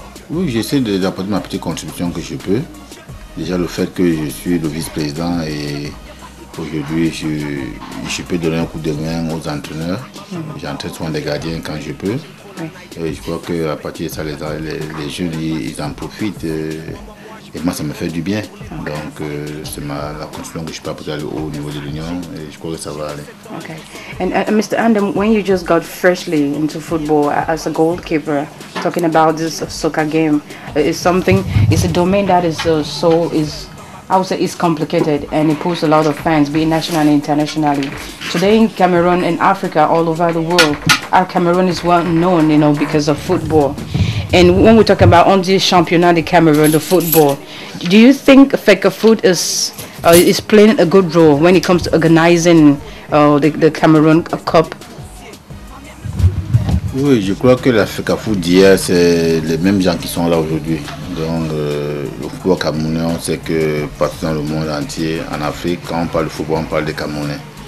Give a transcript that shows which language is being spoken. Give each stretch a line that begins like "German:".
French: Oui, j'essaie d'apporter ma petite contribution que je peux. Déjà, le fait que je suis le vice-président et aujourd'hui, je peux donner un coup de main aux entraîneurs. Mm-hmm. J'entraîne souvent des gardiens quand je peux. Oui. Et je crois qu'à partir de ça, les jeunes, ils en profitent. Et moi, ça me fait du bien. Okay. Donc, c'est la conclusion que je peux apporter au niveau de l'Union. Et je crois que ça va aller. Ok.
English: Et Mr. Andam, when you just got freshly into football as a goalkeeper, talking about this soccer game. It's something, it's a domain that is it's complicated and it pulls a lot of fans, be it nationally and internationally. Today in Cameroon, in Africa, all over the world, our Cameroon is well known, you know, because of football. And when we talk about on this championnat de Cameroon, the football, do you think Fecafoot is playing a good role when it comes to organizing the Cameroon Cup?
French: Oui, je crois que la Fecafoot d'hier, c'est les mêmes gens qui sont là aujourd'hui. Donc, le football camerounais, on sait que partout dans le monde entier, en Afrique, quand on parle de football, on parle des Camerounais.